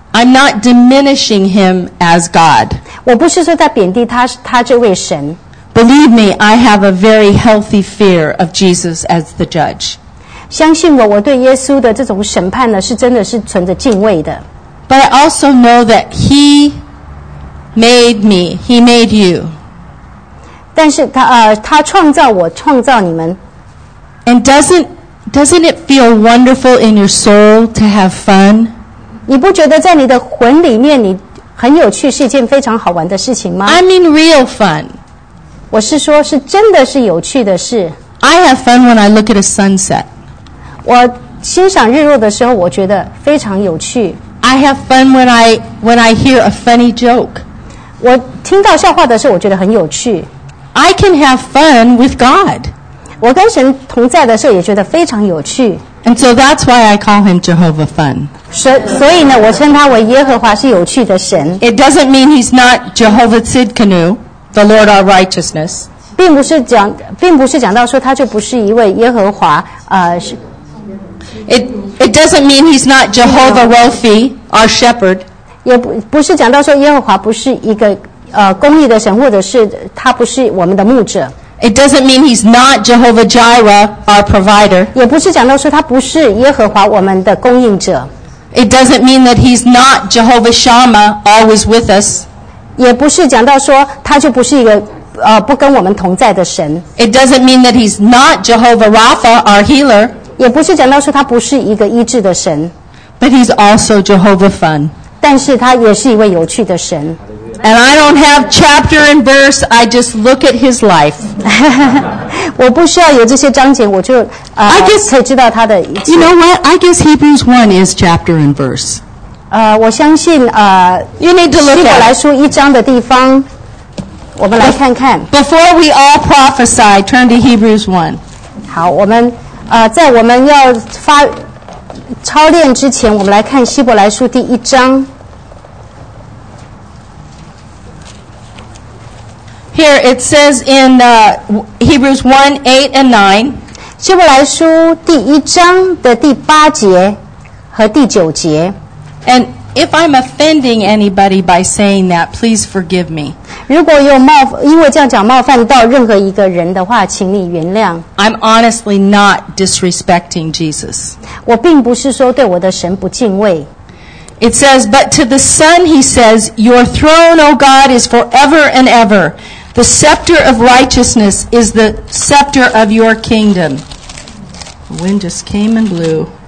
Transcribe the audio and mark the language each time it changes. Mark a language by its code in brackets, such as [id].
[en] I'm not diminishing him as God. [zh] 我不是说在贬低他这位神。 [en] Believe me, I have a very healthy fear of Jesus as the judge. [zh] 相信我，我对耶稣的这种审判呢，是真的是存着敬畏的。 [en] But I also know that he made me, he made you. [zh] 但是他创造我，创造你们。 [en] And doesn't it feel wonderful in your soul to have fun? [zh] 你不觉得在你的魂里面你很有趣是一件非常好玩的事情吗？ [en] I mean real fun. [zh] 我是说是真的是有趣的事。 [en] I have fun when I look at a sunset. [zh] 我欣赏日落的时候我觉得非常有趣。 [en] I have fun when I hear a funny joke. [zh] 我听到笑话的时候我觉得很有趣。 [en] I can have fun with God. [zh] 我跟神同在的时候也觉得非常有趣。 [en] And so that's why I call him Jehovah Fun. [zh] 所以呢，我称他为耶和华是有趣的神。 [en] It doesn't mean he's not Jehovah Tsidkenu, the Lord our righteousness. [zh] 并不是讲到说他就不是一位耶和华是。 [en] It doesn't mean he's not Jehovah Rophi, our shepherd. [zh] 也不是讲到说耶和华不是一个公义的神，或者是他不是我们的牧者。 [en] It doesn't mean he's not Jehovah Jireh, our provider. [zh] 也不是讲到说他不是耶和华我们的供应者。 [en] It doesn't mean that he's not Jehovah Shammah, always with us. [zh] 也不是讲到说他就不是一个不跟我们同在的神。 [en] It doesn't mean that he's not Jehovah Rapha, our healer. [zh] 也不是讲到说他不是一个医治的神。 [en] But he's also Jehovah Fun. [zh] 但是他也是一位有趣的神。 [en] And I don't have chapter and verse, I just look at his life. [zh] 我不需要有这些章节，我就可以知道他的一 [en] 切。You know what? I guess Hebrews 1 is chapter and verse. [zh] 我相信 [en] You need to look at [zh] 希伯来书一章的地方，我们来看看。 [en] Before we all prophesy, turn to Hebrews 1. [zh] 好，我们在我们要发操练之前，我们来看希伯来书第一章。 [en] Here it says in Hebrews 1:8-9. [zh] 希伯来书第一章的第八节和第九节。 [en] And if I'm offending anybody by saying that, please forgive me. [zh] 如果有因为这样讲冒犯到任何一个人的话，请你原谅。 [en] I'm honestly not disrespecting Jesus. [zh] 我并不是说对我的神不敬畏。 [en] It says, but to the Son he says, Your throne, O God, is forever and ever. The scepter of righteousness is the scepter of your kingdom. The wind just came and blew.